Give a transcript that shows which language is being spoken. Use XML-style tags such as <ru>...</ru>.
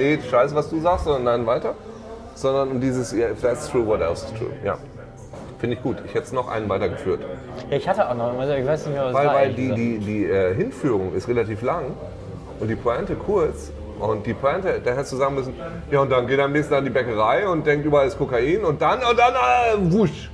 <de>Scheiße, was du sagst, sondern nein, weiter. Sondern dieses,</de> <en>yeah, if that's true, what else is true?</en> <de>Ja. Finde ich gut. Ich hätte noch einen weitergeführt. Ja, ich hatte auch noch. Ich weiß nicht mehr, was weil, war. Weil die Hinführung ist relativ lang und die Pointe kurz. Und die Pointe, da hättest du sagen müssen, ja, und dann geht er am nächsten an die Bäckerei und denkt, überall ist Kokain. Und dann, wusch.</de>